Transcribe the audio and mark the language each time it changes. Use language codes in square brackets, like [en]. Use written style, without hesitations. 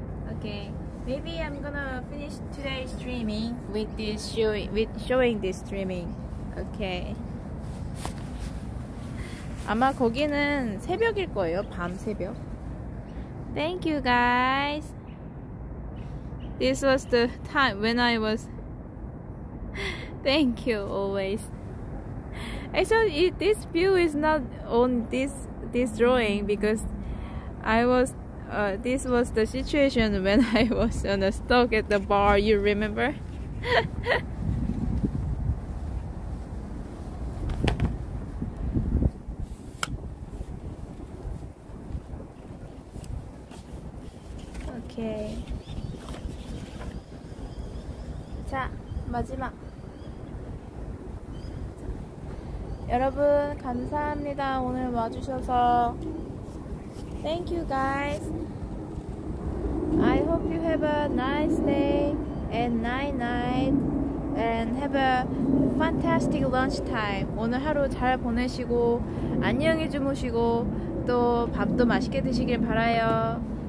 [en] Okay, maybe I'm gonna finish today's streaming with this showing this streaming. Okay. [ko] 아마 거기는 새벽일 거예요. 밤 새벽. [en] Thank you guys. This was the time when I was. Thank you always. Actually, this view is not on this drawing because I was this was the situation when I was on a stock at the bar. You remember? Okay. [ko] 자 마지막. 여러분 감사합니다. 오늘 와주셔서 [en] Thank you guys. I hope you have a nice day and nice night and have a fantastic lunch time. [ko] 오늘 하루 잘 보내시고 안녕히 주무시고 또 밥도 맛있게 드시길 바라요.